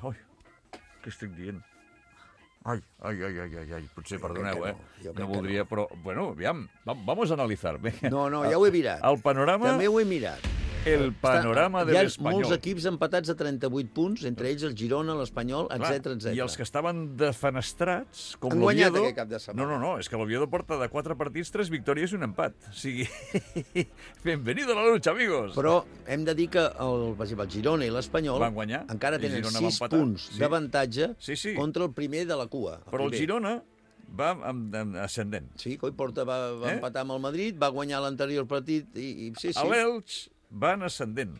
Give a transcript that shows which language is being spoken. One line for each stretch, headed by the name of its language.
Catalan: Ai, què estic dient? Ai, potser, perdoneu, no voldria, no. Però, bueno, aviam,
Spanish: vamos a analizar.
Catalan: Bé, no, ja ho he mirat. El panorama... També ho he mirat. El panorama de l'Espanyol. Hi ha molts equips empatats a 38 punts, entre ells el Girona, l'Espanyol, etcètera, etcètera. I els que estaven defenestrats, com l'Oviedo... Han guanyat aquest cap de setmana. No, és que l'Oviedo porta de 4 partits 3 victòries i un empat. O sigui,
Spanish: bienvenido a la lucha, amigos!
Catalan: Però hem de dir que el Girona i l'Espanyol... Van guanyar. Encara tenen 6 punts d'avantatge contra el primer de la cua. Però el Girona... Va amb ascendent. Sí, coi, Porta va empatar amb el Madrid, va guanyar l'anterior partit i sí, sí. A l'Elx va en ascendent.